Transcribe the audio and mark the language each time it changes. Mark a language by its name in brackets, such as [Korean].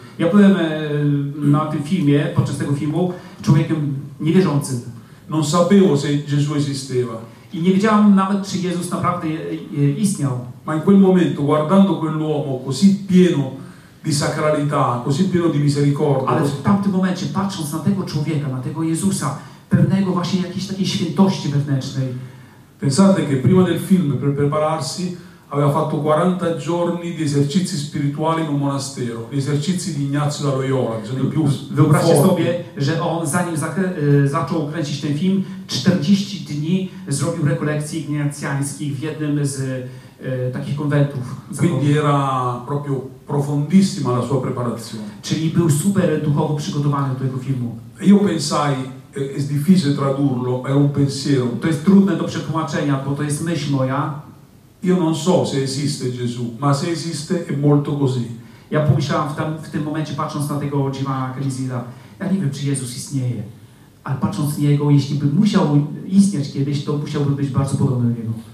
[Polish] Ja byłem na tym filmie, podczas tego filmu, człowiekiem niewierzącym. [Italian] non sapevo se Gesù esisteva. [Polish] I nie wiedziałam nawet, czy Jezus naprawdę istniał. [Italian] Ma in quel momento, guardando quell'uomo così pieno di sacralità, così pieno di misericordia. [Polish] Ale w tamtym momencie, patrząc na tego człowieka, na tego Jezusa, pewnego właśnie jakiejś takiej świętości wewnętrznej. [Italian] Pensate che prima del film, per prepararsi, aveva fatto 40 giorni di esercizi spirituali in un monastero, gli esercizi di Ignazio da Loyola, che sono i più forti. [Polish] Wyobraźcie sobie, że on zanim zaczął kręcić ten film, 40 dni zrobił rekolekcji ignacjańskich w jednym z takich konwentów. [Italian] Quindi era proprio profondissima la sua preparazione. [Polish] Czyli był super duchowo przygotowany do tego filmu. [Italian] E io pensai, è difficile tradurlo, è un pensiero. [Polish] To jest trudne do przetłumaczenia, bo to jest myśl moja. [Italian] Io non so se esiste Gesù, ma se esiste è molto così. [Polish] Ja pomyślałam w tym momencie, patrząc na tego Jima Crisida, ja nie wiem, czy Jezus istnieje, ale patrząc na Niego, jeśli by musiał istnieć kiedyś, to musiałby być bardzo podobny do Niego.